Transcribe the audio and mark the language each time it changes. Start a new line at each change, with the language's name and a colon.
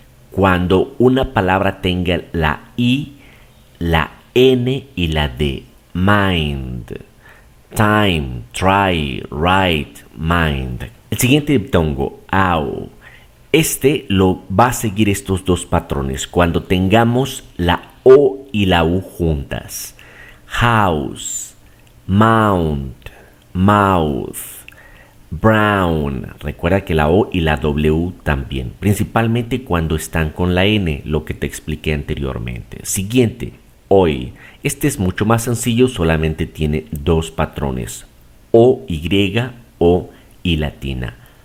Spanish: Cuando una palabra tenga la I, la N y la D.
English: Mind. Time. Try. Right. Mind.
Spanish: El siguiente diptongo, au. Este lo va a seguir estos dos patrones cuando tengamos la O y la U juntas.
English: House, mount, mouth, brown.
Spanish: Recuerda que la O y la W también, principalmente cuando están con la N, lo que te expliqué anteriormente. Siguiente, hoy. Este es mucho más sencillo, solamente tiene dos patrones: O, Y, O y latina.